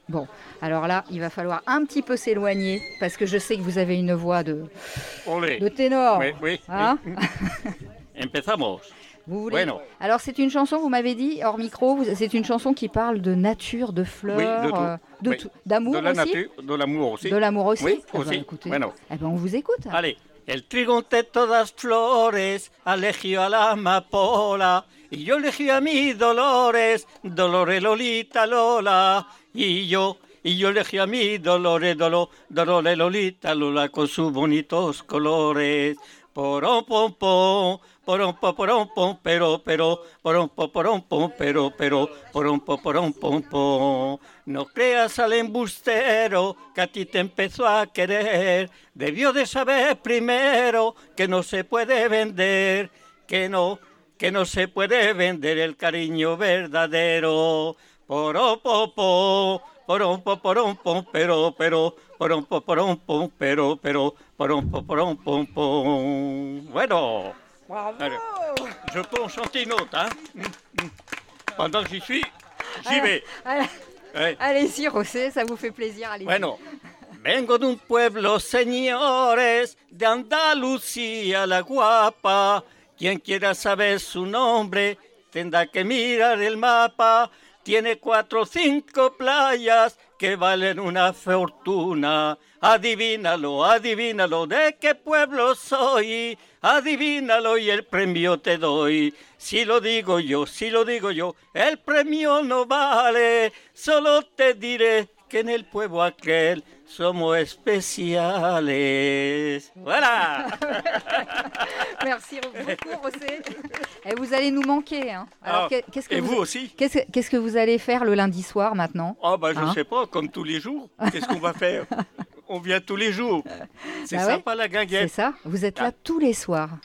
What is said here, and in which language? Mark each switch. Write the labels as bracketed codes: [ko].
[fr] Bon, alors là, il va falloir un petit peu s'éloigner parce que je sais que vous avez une voix de ténor. Oui. Hein ? [es] Empezamos. [fr] Vous voulez ? Bueno. Alors, c'est une chanson, vous m'avez dit, hors micro, c'est une chanson qui parle de nature, de fleurs, d'amour aussi ? De la nature, de l'amour aussi. De l'amour aussi ? Oui, aussi. Écoutez, on vous écoute. Allez. [es] El trigo entre todas flores, alegio a la amapola. Y yo elegí a mis dolores, dolores Lolita Lola. Y yo elegí a mis dolores, dolores Lolita Lola con sus bonitos colores. Porom pom pom, porom pom porom pom, pero, porom pom porom pom, pero, porom pom porom pom pom. No creas al embustero que a ti te empezó a querer. Debió de saber primero que no se puede vender, que no se puede vender el cariño verdadero. Porom pom pom, porom pom porom pom, pero, porom pom porom pom, pero. Pom pom pom pom pom. Bueno. [fr] Bravo. Allez. Je peux en chanter une autre, hein. Pendant que j'y suis, j'y vais. Allez-y, Rosé, ça vous fait plaisir. Allez-y. [es] Bueno. Vengo de un pueblo, señores, de Andalucía, la guapa. Quien quiera saber su nombre, tendrá que mirar el mapa. Tiene 4 o 5 playas que valen una fortuna. Adivínalo, adivínalo, de qué pueblo soy. Adivínalo y el premio te doy. Si lo digo yo, si lo digo yo, el premio no vale. Solo te diré que en el pueblo aquel somos especiales. [fr] Voilà. Merci beaucoup, Rosé. Et vous allez nous manquer. Hein. Alors, vous aussi. Qu'est-ce que vous allez faire le lundi soir maintenant ? Je ne sais pas, comme tous les jours. Qu'est-ce qu'on va faire ? On vient tous les jours. C'est sympa, la guinguette. C'est ça. Vous êtes là tous les soirs.